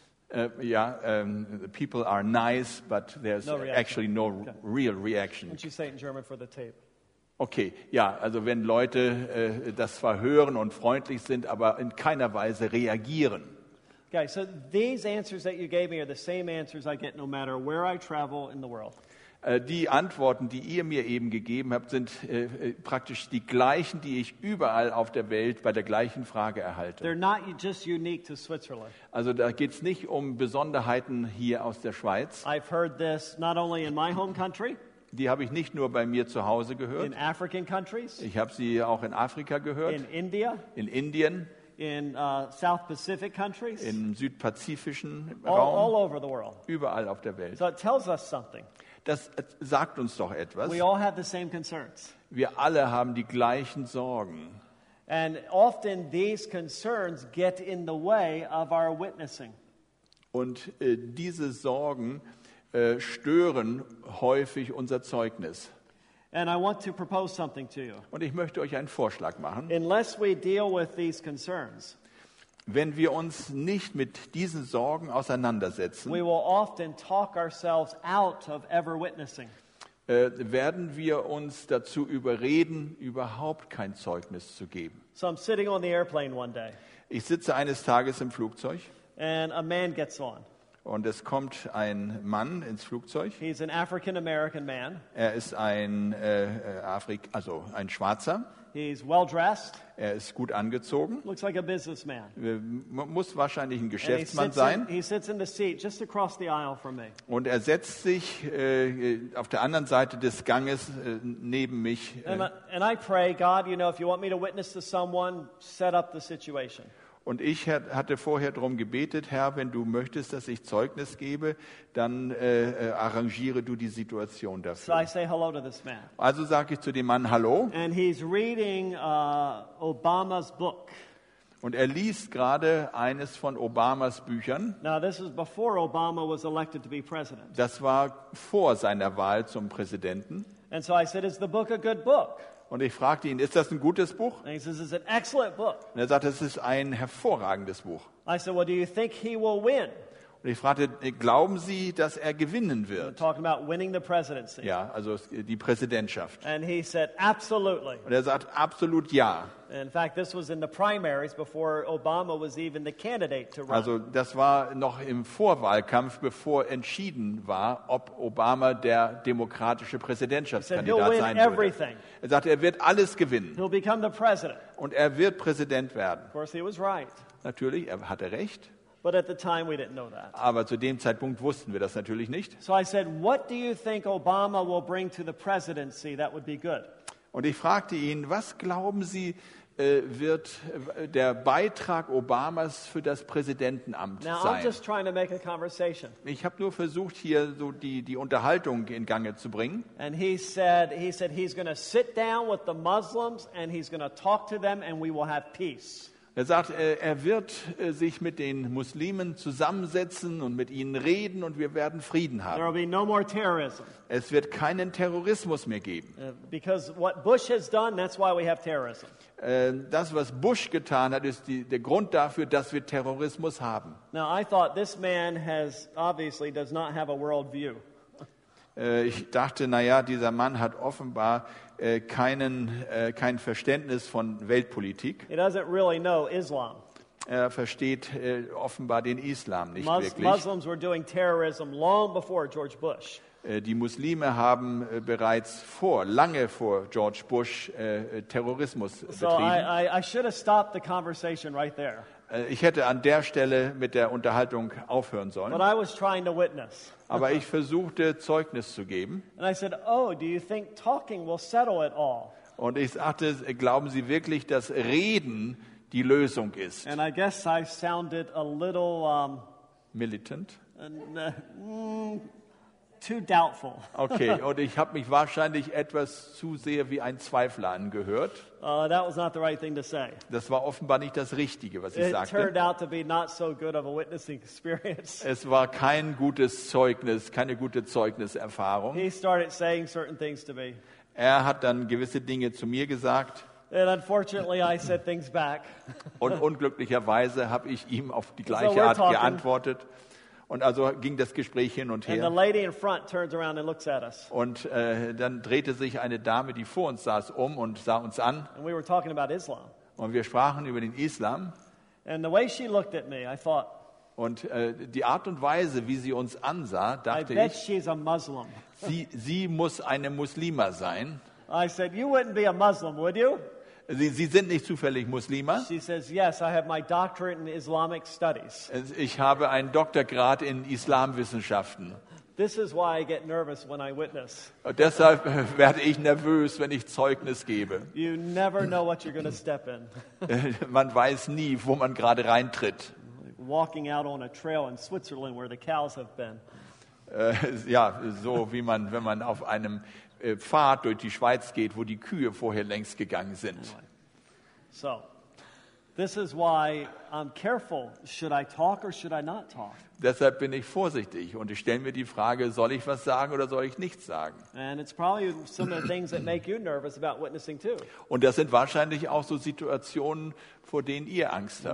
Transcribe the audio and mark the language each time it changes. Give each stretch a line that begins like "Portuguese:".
English: The people are nice, but there's actually no real reaction. Can you say it in German for the tape?
German: Okay, ja, also wenn Leute das zwar hören und freundlich sind, aber in keiner Weise reagieren.
English: Okay, so these answers that you gave me are the same answers I get no matter where I travel in the world.
German: Die Antworten, die ihr mir eben gegeben habt, sind praktisch die gleichen, die ich überall auf der Welt bei der gleichen Frage erhalte.
English: They're not just unique to Switzerland.
German: Also da geht es nicht um Besonderheiten hier aus der Schweiz.
English: I've heard this not only in my home country.
German: Die habe ich nicht nur bei mir zu Hause gehört.
English: In African countries.
German: Ich habe sie auch in Afrika gehört.
English: In India.
German: In Indien.
English: In South Pacific countries.
German: Im südpazifischen
English: all,
German: Raum.
English: All over the world.
German: Überall auf der Welt.
English: So it tells us something.
German: Das sagt uns doch etwas.
English: We all have the same concerns.
German: Wir alle haben die gleichen Sorgen.
English: And often these concerns get in the way of our witnessing.
German: Und diese Sorgen stören häufig unser Zeugnis.
English: And I want to propose something to you.
German: Und ich möchte euch einen Vorschlag machen.
English: Unless we deal with these concerns,
German: wenn wir uns nicht mit diesen Sorgen auseinandersetzen,
English: we will often talk ourselves out of ever witnessing.
German: Werden wir uns dazu überreden, überhaupt kein Zeugnis zu geben.
English: So I'm sitting on the airplane one day.
German: Ich sitze eines Tages im Flugzeug.
English: And a man gets on.
German: Und es kommt ein Mann ins Flugzeug.
English: He's an African-American man.
German: Er ist ein also ein Schwarzer.
English: He's well dressed.
German: Er ist gut angezogen.
English: Looks like a businessman.
German: Muss wahrscheinlich ein Geschäftsmann sein.
English: He sits in the seat just across the aisle from me.
German: Und er setzt sich auf der anderen Seite des Ganges neben mich.
English: And I pray, God, you know, if you want me to witness to someone, set up the situation.
German: Und ich hatte vorher darum gebetet, Herr, wenn du möchtest, dass ich Zeugnis gebe, dann arrangiere du die Situation dafür.
English: So I say hello to this man.
German: Also sage ich zu dem Mann Hallo.
English: And he's reading, Obama's book.
German: Und er liest gerade eines von Obamas Büchern.
English: Now, this is before Obama was elected to be president.
German: Das war vor seiner Wahl zum Präsidenten.
English: And so I said, is the book a good book?
German: Und ich fragte ihn, ist das ein gutes Buch?
English: And he says, it's an excellent book.
German: Und er sagte, es ist ein hervorragendes Buch.
English: I said, well, do you think he will win?
German: Und ich fragte, glauben Sie, dass er gewinnen wird?
English: We're talking about winning the presidency.
German: Ja, also die Präsidentschaft.
English: And he said, absolutely.
German: Und er sagt, absolut ja.
English: In fact, this was in the primaries before Obama was even the candidate to run.
German: Also das war noch im Vorwahlkampf, bevor entschieden war, ob Obama der demokratische Präsidentschaftskandidat sein würde.
English: He'll win everything.
German: Er sagte, er wird alles gewinnen.
English: He'll become the president.
German: Und er wird Präsident werden.
English: Of course, he was right.
German: Natürlich, er hatte recht.
English: But at the time, we didn't know that.
German: Aber zu dem Zeitpunkt wussten wir das natürlich nicht.
English: So I said, what do you think Obama will bring to the presidency that would be good?
German: Und ich fragte ihn, was glauben Sie, wird der Beitrag Obamas für das Präsidentenamt
English: Now,
German: sein?
English: I'm just trying to make a conversation.
German: Ich habe nur versucht, hier so die Unterhaltung in Gange zu bringen.
English: And he said he's going to sit down with the Muslims and he's going to talk to them and we will have peace.
German: Er sagt, er wird sich mit den Muslimen zusammensetzen und mit ihnen reden und wir werden Frieden haben.
English: There will be no more terrorism.
German: Es wird keinen Terrorismus mehr geben.
English: Because what Bush has done, that's why we have terrorism.
German: Das, was Bush getan hat, ist der Grund dafür, dass wir Terrorismus haben.
English: Now I thought this man has obviously does not have a world view.
German: Ich dachte, naja, dieser Mann hat offenbar kein Verständnis von Weltpolitik.
English: He doesn't really know Islam.
German: Er versteht offenbar den Islam nicht wirklich.
English: Muslims were doing terrorism long before George Bush.
German: Die Muslime haben bereits lange vor George Bush Terrorismus betrieben.
English: So I should have stopped the conversation right there.
German: Ich hätte an der Stelle mit der Unterhaltung aufhören sollen.
English: But I was trying to witness.
German: Aber ich versuchte, Zeugnis zu geben.
English: And I said, oh, do you think talking will settle it all?
German: Und ich sagte, glauben Sie wirklich, dass Reden die Lösung ist?
English: And I guess I sounded a little militant. Too doubtful.
German: Okay, und ich habe mich wahrscheinlich etwas zu sehr wie ein Zweifler angehört.
English: That was not the right thing to say.
German: Das war offenbar nicht das Richtige, was ich sagte.
English: It turned out to be not so good of a witnessing experience.
German: Es war kein gutes Zeugnis, keine gute Zeugniserfahrung.
English: He started saying certain things to me.
German: Er hat dann gewisse Dinge zu mir gesagt.
English: And unfortunately, I said things back.
German: Und unglücklicherweise habe ich ihm auf die gleiche Art geantwortet. Und also ging das Gespräch hin und her.
English: And the lady in front turns around and looks at us.
German: Und dann drehte sich eine Dame, die vor uns saß, um und sah uns an.
English: And we were talking about Islam.
German: Und wir sprachen über den Islam.
English: And the way she looked at me, I thought,
German: und die Art und Weise, wie sie uns ansah, dachte ich,
English: she's a Muslim.
German: sie muss eine Muslima sein.
English: I said, you wouldn't be a Muslim, would you?
German: Sie sind nicht zufällig Muslime?
English: She says, yes, I have my doctorate in Islamic studies.
German: Ich habe einen Doktorgrad in Islamwissenschaften.
English: This is why I get nervous when I witness.
German: Deshalb werde ich nervös, wenn ich Zeugnis gebe.
English: You never know what you're going to step in.
German: Man weiß nie, wo man gerade reintritt.
English: Walking out on a trail in Switzerland where the cows have been.
German: Ja, so wie man, wenn man auf einem Pfad durch die Schweiz geht, wo die Kühe vorher längst gegangen sind.
English: So, this is why I'm careful. Should I talk or should I not talk?
German: Deshalb bin ich vorsichtig und ich stelle mir die Frage, soll ich was sagen oder soll ich nichts sagen?
English: And it's probably some of the things that make you nervous about witnessing too.
German: Und das sind wahrscheinlich auch so Situationen, vor denen ihr Angst habt.